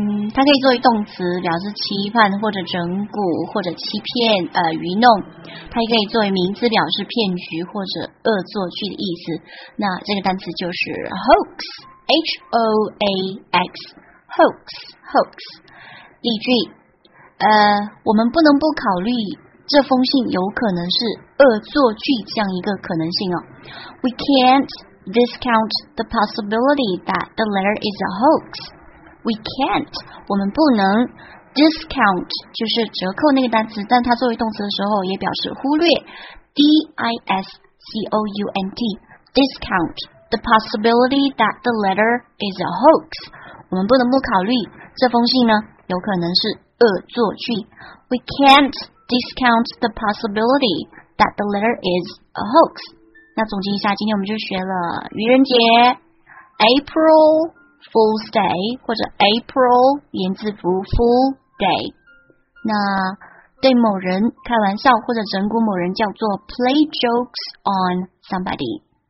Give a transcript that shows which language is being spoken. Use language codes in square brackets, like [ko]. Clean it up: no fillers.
[zh] 它可以作为动词，表示欺犯或者整蛊或者欺骗愚弄。它也可以作为名词，表示骗局或者恶作剧的意思。那这个单词就是 hoax， H-O-A-X， hoax， hoax。例句，我们不能不考虑这封信有可能是恶作剧这样一个可能性哦。 [en] We can't discount the possibility that the letter is a hoax. We can't. [zh] 我们不能 [en] discount [zh] 就是折扣那个单词，但它作为动词的时候也表示忽略。 [en] D-I-S-C-O-U-N-T. Discount the possibility that the letter is a hoax. [zh] 我们不能不考虑这封信呢有可能是恶作剧。 [en] We can't discount the possibility that the letter is a hoax. [zh] 那总结一下，今天我们就学了愚人节 [en] April Fool's Day [zh] 或者 April 言字符 Fool Day。那对某人开玩笑或者整蛊某人叫做 [en] play jokes on somebody。